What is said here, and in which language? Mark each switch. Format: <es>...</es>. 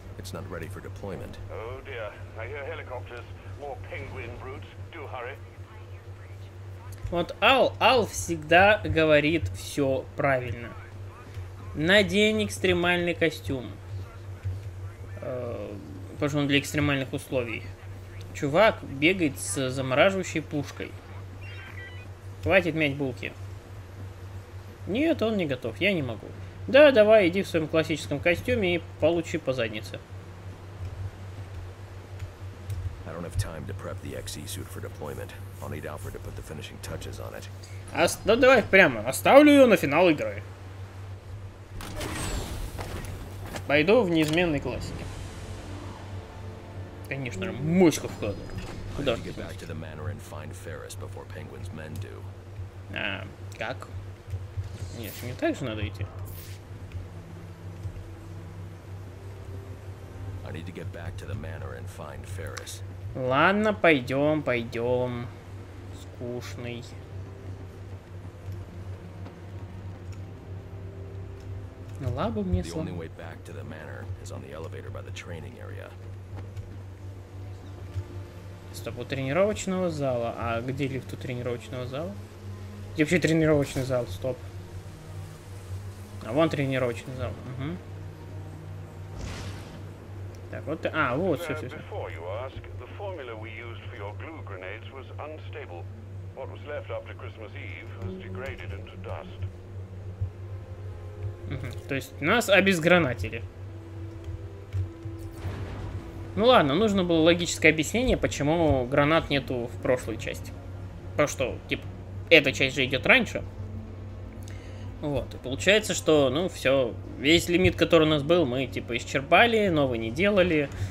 <en>It's not ready for deployment. Oh dear, I hear helicopters. More penguin brutes. Do hurry.</en> <ru>Вот Ал всегда говорит все правильно. Надень экстремальный костюм. Потому что он для экстремальных условий. Чувак бегает с замораживающей пушкой. Хватит мять булки. Нет, он не готов, я не могу. Да, давай, иди в своем классическом костюме и получи по заднице.</ru> <en>I don't have time to prep the XE suit for deployment. I'll need Alfred to put the finishing touches on it.</en> <ru>Да давай прямо, оставлю ее на финал игры. Пойду в неизменной классике. Конечно, мышка в кадр. Куда же</ru> <en>get back to the manor and find Ferris before Penguin's men do.</en> <ru>А, как? Нет, мне так же надо идти.</ru> <en>I need to get back to the manor and find Ferris.</en> <ru>Ладно, пойдем, пойдем. Скучный. На лабу мне сломать.</ru> <en>The only way back to the manor is on the elevator by the training area.</en> <ru>Стоп, у тренировочного зала. А где лифт у тренировочного зала? Где вообще тренировочный зал? Стоп. А вон тренировочный зал. Угу. Так, вот ты... А, вот, всё.</ru> <en>Before you ask, the formula we used for your glue grenades was unstable. What was left after Christmas Eve was degraded into dust.</en> <ru>То есть нас обезгранатили. Ну ладно, нужно было логическое объяснение, почему гранат нету в прошлой части. Потому что, типа, эта часть же идет раньше. Вот, и получается, что, ну, все, весь лимит, который у нас был, мы, типа, исчерпали, новый не делали.</ru>